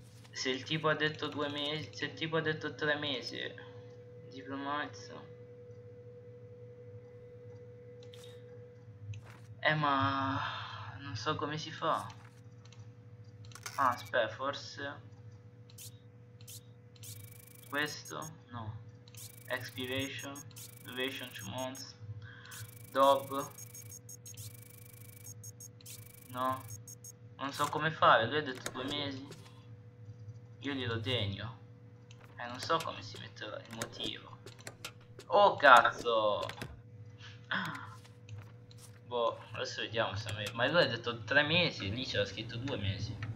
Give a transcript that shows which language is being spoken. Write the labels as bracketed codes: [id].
[it] Se il tipo ha detto 2 mesi. Se il tipo ha detto 3 mesi. Diplomazzo. Ma non so come si fa. Ah, aspetta, forse questo? No. [en] Expiration, duration 2 months. Dob. [it] No. Non so come fare, lui ha detto 2 mesi. Io glielo degno. Non so come si mette il motivo. Oh cazzo! Boh, adesso vediamo se... Ma lui ha detto 3 mesi, lì c'era scritto 2 mesi.